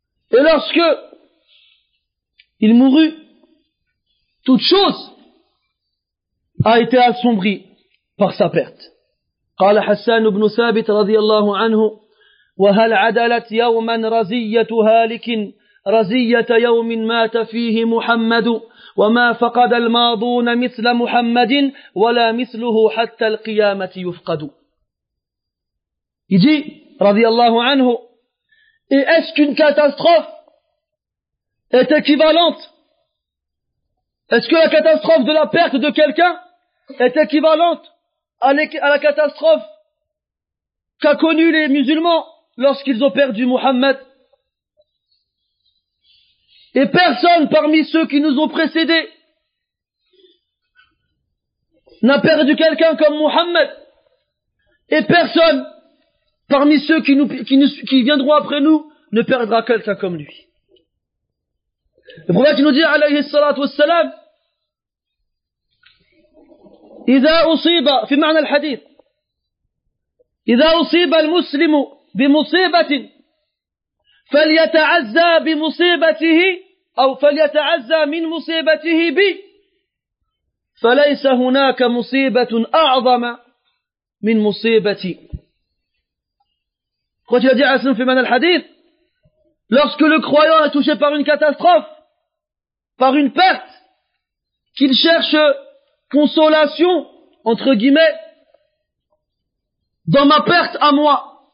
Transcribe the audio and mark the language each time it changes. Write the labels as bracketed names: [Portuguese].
[French] Et lorsque il mourut, toute chose a été assombrie par sa perte. [Arabic] قال حسان بن ثابت رضي الله عنه وهل عدلت يوما رزية هالك رزية يوم مات فيه محمد وما فقد الماضون مثل محمد ولا مثله حتى القيامة يفقد. يجي رضي الله عنه [French] est-ce qu'une catastrophe est équivalente? Est-ce que la catastrophe de la perte de quelqu'un est équivalente à la catastrophe qu'a connue les musulmans lorsqu'ils ont perdu Muhammad? Et personne parmi ceux qui nous ont précédés n'a perdu quelqu'un comme Muhammad. Et personne parmi ceux qui viendront après nous ne perdra quelqu'un comme lui. Le prophète nous dit, [Arabic] alayhi salatu wassalam, إذا أصيب في معنى الحديث إذا أصيب المسلم بمصيبة فليتعزى بمصيبته أو فليتعزى من مصيبته بي فليس هناك مصيبة أعظم من مصيبتي. قلت لدي عسن في معنى الحديث [French] lorsque le croyant est touché par une catastrophe, par une perte, qu'il cherche consolation entre guillemets, dans ma perte à moi.